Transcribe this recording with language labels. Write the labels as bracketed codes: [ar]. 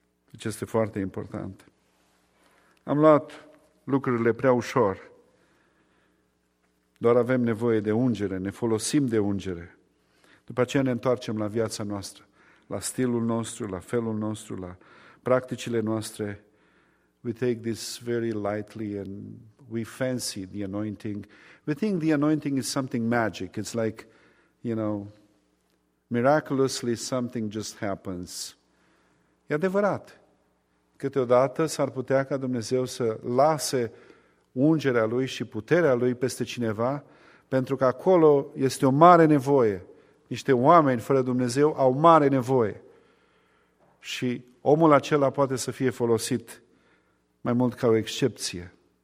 [ro] Deci este foarte important. Am luat lucrurile prea ușor. Doar avem nevoie de ungere, ne folosim de ungere. După aceea ne întoarcem la viața noastră, la stilul nostru, la felul nostru, la practicile noastre. [en] We take this very lightly and we fancy the anointing. We think the anointing is something magic. It's like, you know, miraculously something just happens. [ro] E adevărat. Câteodată s-ar putea ca Dumnezeu să lase ungerea Lui și puterea Lui peste cineva, pentru că acolo este o mare nevoie. Niște oameni fără Dumnezeu au mare nevoie. Și omul acela poate să fie folosit mai mult ca o excepție.